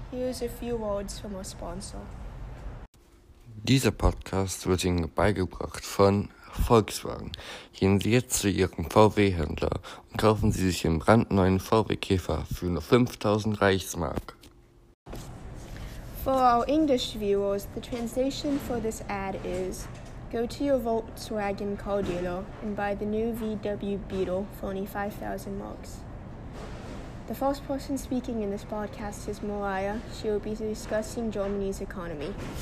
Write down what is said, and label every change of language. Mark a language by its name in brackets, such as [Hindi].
[English] Here's a few words from our sponsor. [German] Dieser Podcast wird Ihnen beigebracht von Volkswagen. Gehen Sie jetzt zu Ihrem VW-Händler und kaufen Sie sich einen brandneuen VW Käfer für nur 5000 Reichsmark. [English] For our English viewers, the translation for this ad is: go to your Volkswagen car dealer and buy the new VW Beetle for only 5,000 marks. The first person speaking in this podcast is Mariah. She will be discussing Germany's economy.